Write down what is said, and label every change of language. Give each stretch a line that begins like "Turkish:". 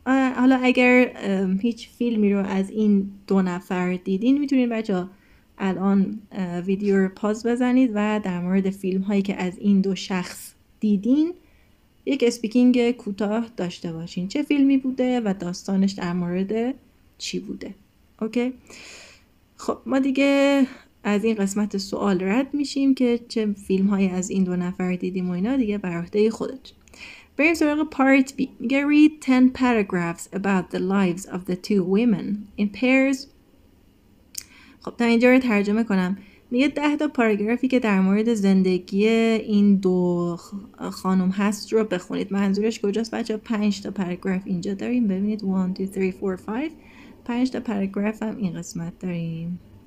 Persian: حالا اگر هیچ فیلمی رو از این دو نفر دیدین میتونین بچه ها الان ویدیو رو پاز بزنید و در مورد فیلم هایی که از این دو شخص دیدین یک اسپیکینگ کوتاه داشته باشین، چه فیلمی بوده و داستانش در مورد چی بوده. اوکی خب ما دیگه از این قسمت سوال رد میشیم که چه فیلم های از این دو نفر دیدیم و اینا، دیگه بر عهده خودت. بریم سراغ پارت بی.
English: میگه read 10 paragraphs about the lives of the two women in pairs.
Persian: خب تا اینجا رو ترجمه کنم، میگه 10 تا پاراگرافی که در مورد زندگی این دو خانم هست رو بخونید. منظورش کجاست بچه؟ 5 تا پاراگراف اینجا داریم، ببینید 1 2 3 4 5، 5 تا پاراگراف هم این قسمت داریم.